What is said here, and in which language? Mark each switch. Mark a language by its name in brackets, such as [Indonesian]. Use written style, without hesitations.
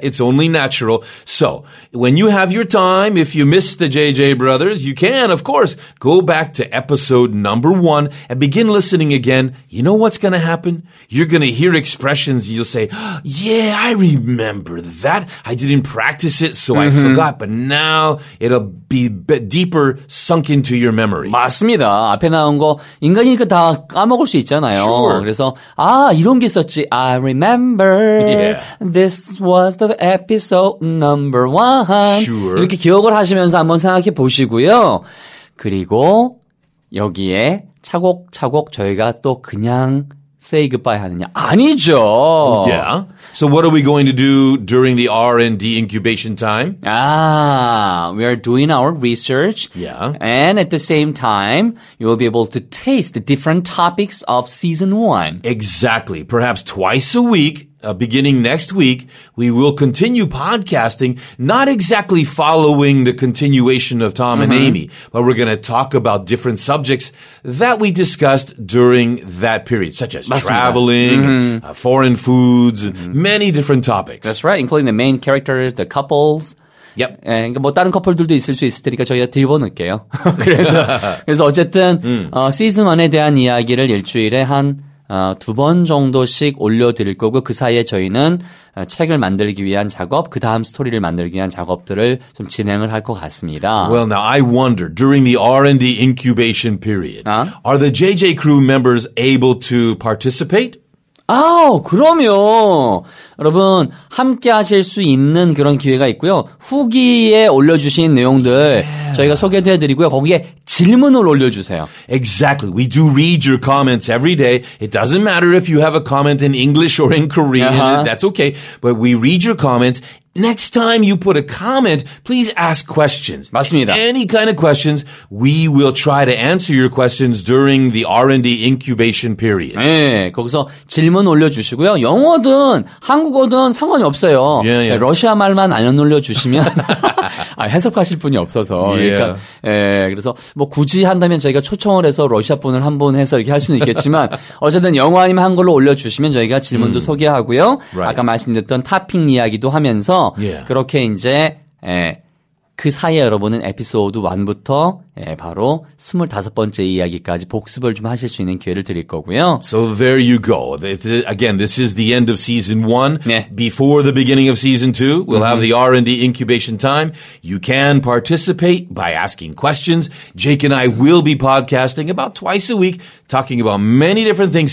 [English] It's only natural. So, when you have your time, if you miss the JJ Brothers, you can, of course, go back to episode number 1 and begin listening again. You know what's going to happen? You're going to hear expressions. You'll say, yeah, I remember that. I didn't practice it, so mm-hmm. I forgot. But now, it'll be deeper sunk into your memory. [Korean] 맞습니다. 앞에 나온 거 인간이니까 다 까먹을 수 있잖아요. [English] Sure. [Korean] 그래서 아 이런 게 있었지. [English] I remember yeah. this was the episode number one. Sure. [Korean] 이렇게 기억을 하시면서 한번 생각해 보시고요. 그리고 여기에 차곡차곡 저희가 또 그냥 [English] say goodbye [Korean] 하느냐. 아니죠. [English] Yeah. So what are we going to do during the R&D incubation time? We are doing our research. Yeah. And at the same time, you will be able to taste the different topics of season one. Exactly. Perhaps twice a week. Beginning next week, we will continue podcasting, not exactly following the continuation of Tom mm-hmm. and Amy, but we're going to talk about different subjects that we discussed during that period, such as [Korean] 맞습니다. [English] traveling, mm-hmm. Foreign foods, mm-hmm. many different topics. That's right, including the main characters, the couples. Yep. [Korean] 예, 그러니까 뭐 다른 커플들도 있을 수 있을 테니까 저희가 들여놓을게요. 그래서 어쨌든 시즌 1에 대한 이야기를 일주일에 한 두 번 정도씩 올려드릴 거고 그 사이에 저희는 책을 만들기 위한 작업, 그 다음 스토리를 만들기 위한 작업들을 좀 진행을 할 것 같습니다. [English] Well, now I wonder, during the R&D incubation period, 아? are the JJ crew members able to participate? [Korean] 아, 그럼요. 여러분, 함께 하실 수 있는 그런 기회가 있고요. 후기에 올려주신 내용들 [English] yeah. [Korean] 저희가 소개도 해드리고요. 거기에 질문을 올려주세요. [English] Exactly. We do read your comments every day. It doesn't matter if you have a comment in English or in Korean. Uh-huh. That's okay. But we read your comments. Next time you put a comment, please ask questions. [Korean] 맞습니다. [English] Any kind of questions, we will try to answer your questions during the R&D incubation period. [Korean] 네, 거기서 질문 올려주시고요. 영어든 한국어든 상관이 없어요. [English] Yeah, yeah. [Korean] 러시아 말만 안 올려주시면 아, 해석하실 분이 없어서. [English] Yeah. [Korean] 그러니까, 예, 그래서 뭐 굳이 한다면 저희가 초청을 해서 러시아 분을 한번 해서 이렇게 할 수는 있겠지만 어쨌든 영어 아니면 한글로 올려주시면 저희가 질문도 소개하고요. [English] Right. [Korean] 아까 말씀드렸던 탑핑 이야기도 하면서 [English] Yeah. [Korean] 그렇게 이제 예, 그 사이에 여러분은 에피소드 1부터 예, 바로 25번째 이야기까지 복습을 좀 하실 수 있는 기회를 드릴 거고요. [English] So there you go. Again, this is the end of season 1. [Korean] 네. [English] Before the beginning of season 2, we'll mm-hmm. have the R&D incubation time. You can participate by asking questions. Jake and I will be podcasting about twice a week, talking about many different things.